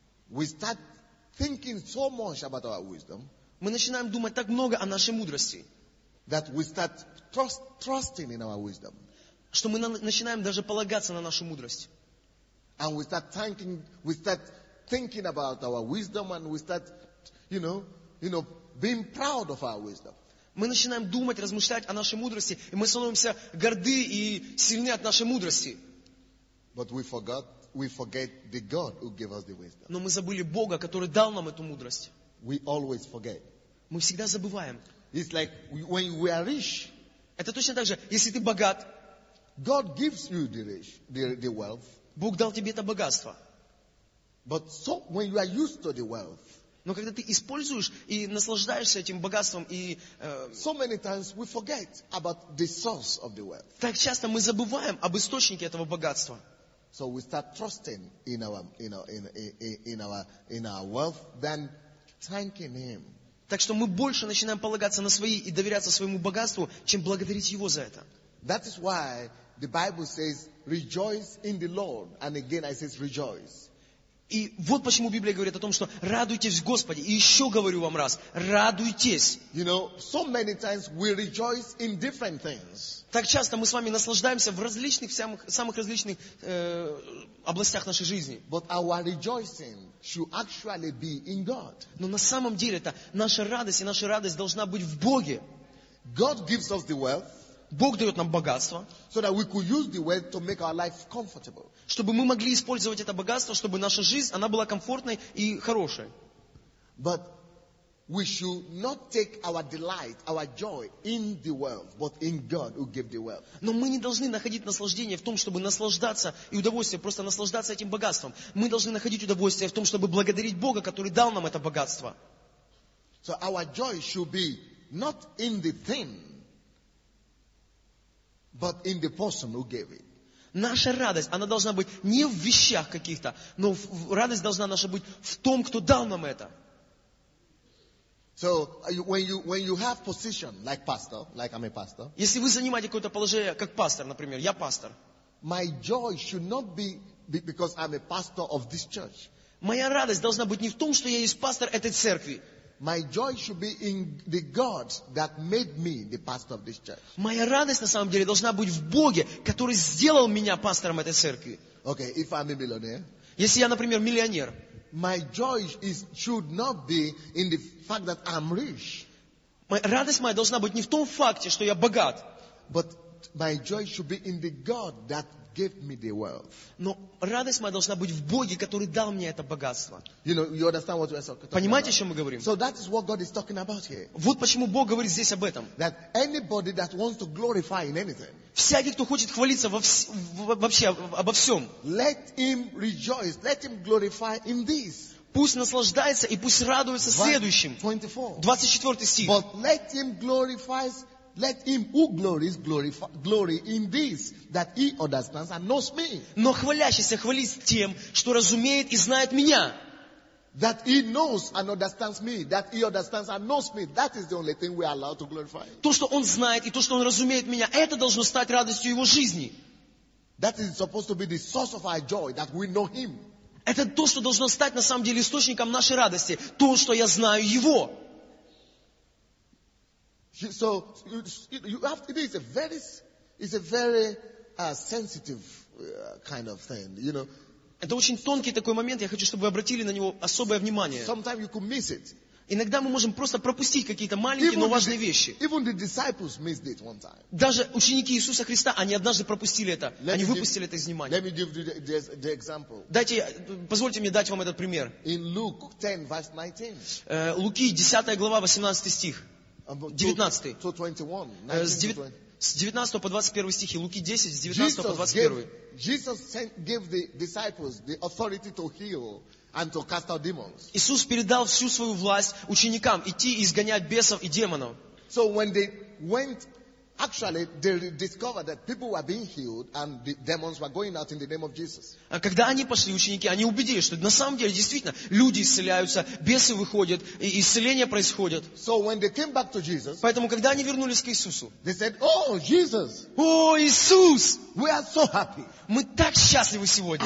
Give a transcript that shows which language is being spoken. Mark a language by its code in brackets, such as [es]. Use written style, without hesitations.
[en] we start thinking so much about our wisdom, [ru] мы начинаем думать так много о нашей мудрости, [en] that we start trusting in our wisdom, [ru] что мы начинаем даже полагаться на нашу мудрость. [en] And we start thinking about our wisdom, and we start, you know, being proud of our wisdom. [ru] Мы начинаем думать, размышлять о нашей мудрости, и мы становимся горды и сильны от нашей мудрости. [en] But we forget the God who gave us the wisdom. [ru] Но мы забыли Бога, который дал нам эту мудрость. [en] We always forget. [ru] Мы всегда забываем. [en] It's like when we are rich. [ru] Это точно так же, если ты богат. [en] God gives you the rich, the wealth. [ru] Бог дал тебе это богатство. [en] But so when you are used to the wealth. [ru] Но когда ты используешь и наслаждаешься этим богатством и [en] so many times we forget about the source of the wealth. [ru] Так часто мы забываем об источнике этого богатства. [en] So we start trusting in our, you know, in our wealth than thanking him. [ru] Так что мы больше начинаем полагаться на свои и доверяться своему богатству, чем благодарить его за это. [en] That is why the Bible says, rejoice in the Lord. And again I say, rejoice. [ru] И вот почему Библия говорит о том, что радуйтесь в Господе. И еще говорю вам раз, радуйтесь. [en] You know, so many times we rejoice in different things. [ru] Так часто мы с вами наслаждаемся в различных, самых различных областях нашей жизни. [en] But our rejoicing should actually be in God. [ru] Но на самом деле это наша радость, и наша радость должна быть в Боге. [en] God gives us the wealth. [ru] Бог дает нам богатство, [en] so that we could use the wealth to make our life comfortable. [ru] Чтобы мы могли использовать это богатство, чтобы наша жизнь она была комфортной и хорошей. [en] But we should not take our delight, our joy in the wealth, but in God who gave the wealth. [ru] Но мы не должны находить наслаждение в том, чтобы наслаждаться и удовольствие просто наслаждаться этим богатством. Мы должны находить удовольствие в том, чтобы благодарить Бога, который дал нам это богатство. [en] So our joy should be not in the thing. but in the person who gave it. [ru] Наша радость, она должна быть не в вещах каких-то, но радость должна наша быть в том, кто дал нам это. [en] So when you have position like pastor, like I'm a pastor. [ru] Если вы занимаете какое-то положение как пастор, например, я пастор. [en] My joy should not be because I'm a pastor of this church. [ru] Моя радость должна быть не в том, что я есть пастор этой церкви. [en] My joy should be in the God that made me the pastor of this church. [ru] Моя радость на самом деле должна быть в Боге, который сделал меня пастором этой церкви. [en] Okay, if I'm a millionaire. [ru] Если я, например, миллионер. [en] My joy should not be in the fact that I'm rich. [ru] Радость моя должна быть не в том факте, что я богат. [en] But my joy should be in the God that gave me the wealth. [ru] Но радость моя должна быть в Боге, который дал мне это богатство. [en] You know, you understand what we're talking about. [ru] Понимаете, о чем мы говорим? [en] So that is what God is talking about here. [ru] Вот почему Бог говорит здесь об этом. [en] That anybody that wants to glorify in anything. [ru] Всякий, кто хочет хвалиться обо всем. [en] Let him rejoice. Let him glorify in this. [ru] Пусть наслаждается и пусть радуется следующим. 24 стих. [en] But let him glorify. Let him who glories glory in this that he understands and knows me. [ru] Но хвалящийся хвалится тем, что разумеет и знает меня. [en] That he knows and understands me. That he understands and knows me. That is the only thing we are allowed to glorify. [ru] То, что он знает и то, что он разумеет меня, это должно стать радостью его жизни. [en] That is supposed to be the source of our joy that we know him. [ru] Это то, что должно стать на самом деле источником нашей радости, то, что я знаю его. [en] So you have to, it's a very sensitive kind of thing, you know. [ru] Это очень тонкий такой момент. Я хочу, чтобы вы обратили на него особое внимание. [en] Sometimes you could miss it. [ru] Иногда мы можем просто пропустить какие-то маленькие, [en] even [ru] но важные вещи. [en] Even the disciples missed it one time. [ru] Даже ученики Иисуса Христа, они однажды пропустили это. [en] Let [ru] они выпустили это из внимания. [en] Let me give the example. [ru] Позвольте мне дать вам этот пример. [en] In Luke 10, verse 19. [ru] Луки 10 глава, 18 стих. 19. [en] To 21, 19. [ru] С 19 по 21 стихи. Луки 10, с 19 по 21. [en] Jesus gave the disciples the authority to heal and to cast out demons. [ru] Иисус передал всю свою власть ученикам идти и изгонять бесов и демонов. [en] So when they went, actually they discovered that people were being healed and the demons were going out in the name of Jesus. [ru] А когда они пошли, ученики, они убедились, что на самом деле действительно люди исцеляются, бесы выходят, и исцеления происходят. [en] So when they came back to Jesus, [ru] поэтому когда они вернулись к Иисусу, [en] they said, "Oh, Jesus! [ru] О, Иисус! [en] We are so happy. [ru] Мы так счастливы сегодня.